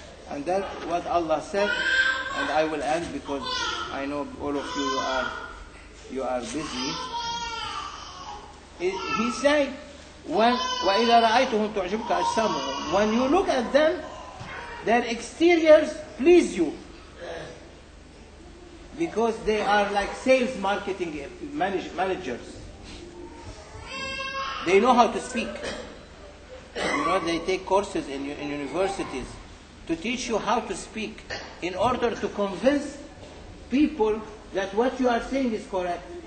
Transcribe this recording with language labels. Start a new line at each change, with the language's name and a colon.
English: And that what Allah said, and I will end because I know all of you are busy. He said,
Arabic: وإذا رأيتهم تعجبك أجسامهم.
English: When you look at them, their exteriors please you. Because they are like sales marketing managers. They know how to speak. You know, they take courses in universities to teach you how to speak in order to convince people that what you are saying is correct.